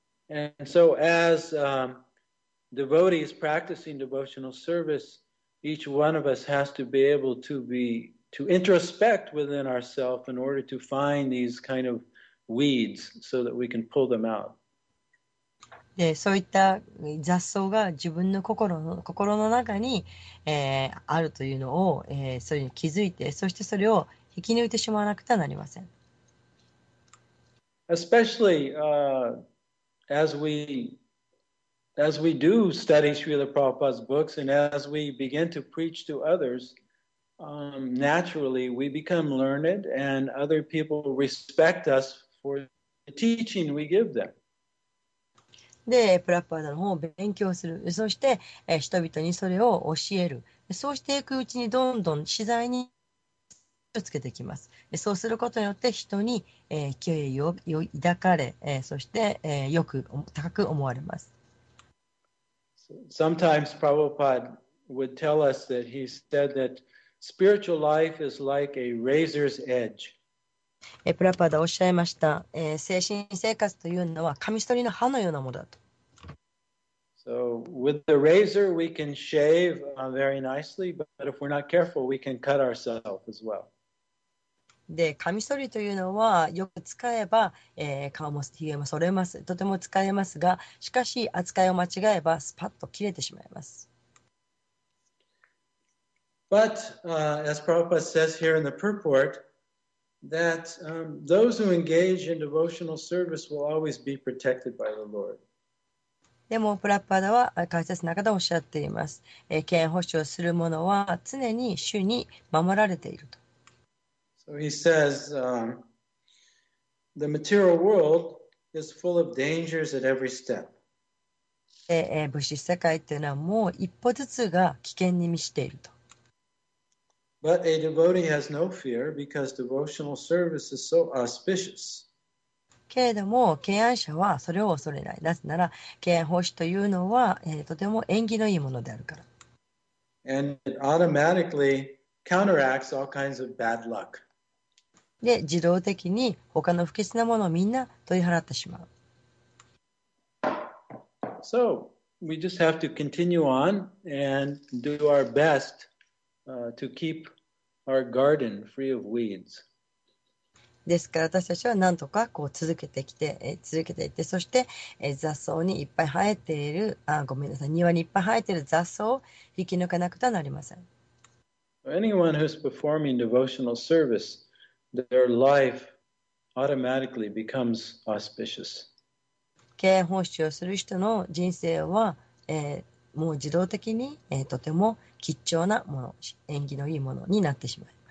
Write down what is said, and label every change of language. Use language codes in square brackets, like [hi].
[en] And so as, devotees practicing devotional service, each one of us has to be able to beto introspect within ourselves in order to find these kind of weeds so that we can pull them out. [ja] で、そういった雑草が自分の心の中に、あるというのを、それに気づいて、そしてそれを引き抜いてしまわなくてはなりません。 [en] Especially, as we do study Srila Prabhupada's books and as we begin to preach to others,naturally, we become learned, and other people respect us for the teaching we give them. [ja] で、プラッパーダの方を勉強する。そして、人々にそれを教える。そうしていくうちに、どんどん自在にをつけてきます。そうすることによって人に敬意を抱かれ、そしてよく高く思われます。 [en] Sometimes Prabhupada would tell us that he said that spiritual life is like a razor's edge. [ja] プラパダおっしゃいました。精神生活というのは紙取りの刃のようなものだと。 [en] So with the razor we can shave very nicely, but if we're not careful, we can cut ourselves as well. [ja] で、紙取りというのはよく使えば、顔も髭も剃れます。とても使えますが、しかし扱いを間違えばスパッと切れてしまいます。 [en] But as Prabhupada says here in the purport, that those who engage in devotional service will always be protected by the Lord. [ja] でもプラッパダは解説の中でおっしゃっています。敬遠保守をする者は常に主に守られていると。 [en] So he says, the material world is full of dangers at every step. [ja] 物質世界というのはもう一歩ずつが危険に満ちていると。 [en] But a devotee has no fear because devotional service is so auspicious. [ja] けれども敬愛者はそれを恐れない。なぜなら敬愛奉仕というのは、とても縁起のいいものであるから。 [en] And it automatically counteracts all kinds of bad luck. [ja] で、自動的に他の不吉なものをみんな取り払ってしまう。 [en] So, we just have to continue on and do our best, to keep our garden free of weeds. [ja] ですから私たちは何とかこう続けてきて、続けていって、そして雑草にいっぱい生えている、ごめんなさい、庭にいっぱい生えている雑草を引き抜かなくてはなりません。 [en] Anyone who's performing devotional service, their life automatically becomes auspicious. [ja] 敬遠奉仕をする人の人生は、もう自動的に、とても吉兆なもの、縁起のいいものになってしまう。